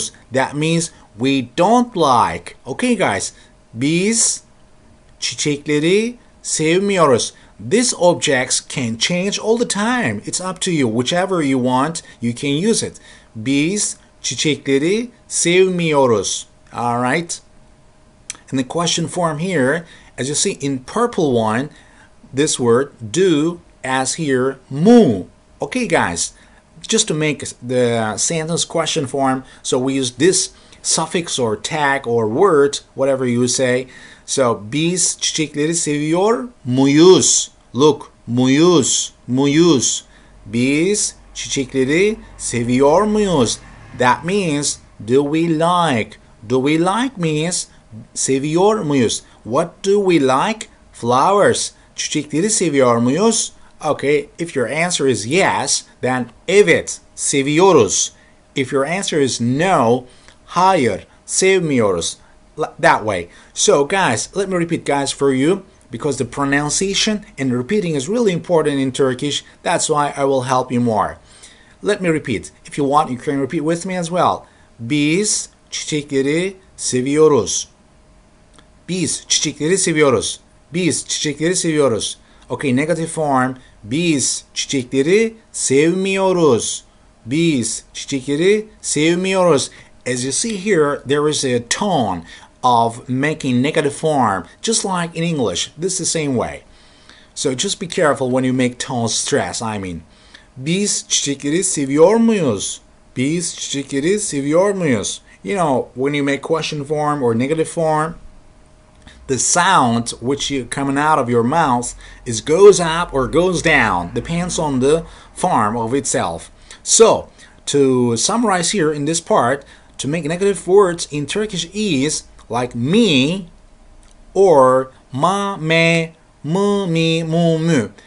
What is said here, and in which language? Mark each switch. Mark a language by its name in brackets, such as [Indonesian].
[English] That means we don't like. Okay, guys, [Turkish] biz çiçekleri sevmiyoruz. [English] These objects can change all the time. It's up to you. Whichever you want, you can use it. [Turkish] Biz çiçekleri sevmiyoruz. [English] All right. In the question form here, as you see in purple one, this word do as here mu. Okay, guys. just to make the sentence question form, so we use this suffix or tag or word, whatever you say. [Turkish] So, biz çiçekleri seviyor muyuz? Look, muyuz, muyuz. Biz çiçekleri seviyor muyuz? [English] That means, do we like? Do we like means [Turkish] seviyor muyuz? [English] What do we like? Flowers. [Turkish] Çiçekleri seviyor muyuz? [English] Okay, if your answer is yes, then [Turkish] evet, seviyoruz. [English] If your answer is no, [Turkish] hayır, sevmiyoruz. [English] That way. So, guys, let me repeat, guys, for you, because the pronunciation and repeating is really important in Turkish. That's why I will help you more. Let me repeat. If you want, you can repeat with me as well. [Turkish] Biz çiçekleri seviyoruz. Biz çiçekleri seviyoruz. Biz çiçekleri seviyoruz. [English] Okay, negative form. [Turkish] Biz çiçekleri sevmiyoruz. Biz çiçekleri sevmiyoruz. [English] As you see here, there is a tone of making negative form, just like in English. This is the same way. So just be careful when you make tone stress, I mean. [Turkish] Biz çiçekleri seviyor muyuz? Biz çiçekleri seviyor muyuz? [English] You know, when you make question form or negative form, the sound which you coming out of your mouth is goes up or goes down, depends on the form of itself. So, to summarize here in this part, to make negative words in Turkish is like me or ma, me, mu, mi, mu, mu.